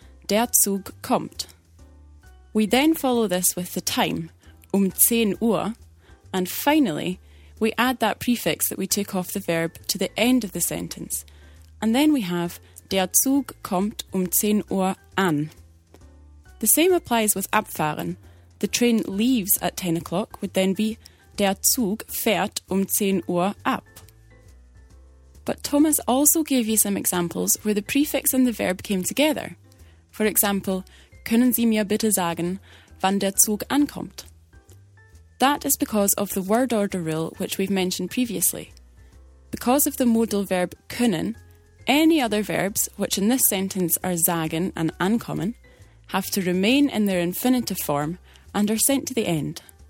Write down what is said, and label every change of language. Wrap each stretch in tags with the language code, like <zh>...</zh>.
<de>der Zug kommt.</de> <en>We then follow this with the time, 10 Uhr, and finally, we add that prefix that we took off the verb to the end of the sentence, and then we have</en> <de>der Zug kommt 10 Uhr an.</de> <en>The same applies with abfahren. The train leaves at 10 o'clock would then be</en> <de>der Zug fährt 10 Uhr ab.</de> <en>But Thomas also gave you some examples where the prefix and the verb came together. For example,</en> <de>können Sie mir bitte sagen, wann der Zug ankommt?</de> <en>That is because of the word order rule which we've mentioned previously. Because of the modal verb können, any other verbs, which in this sentence are sagen and ankommen, have to remain in their infinitive form and are sent to the end.</en>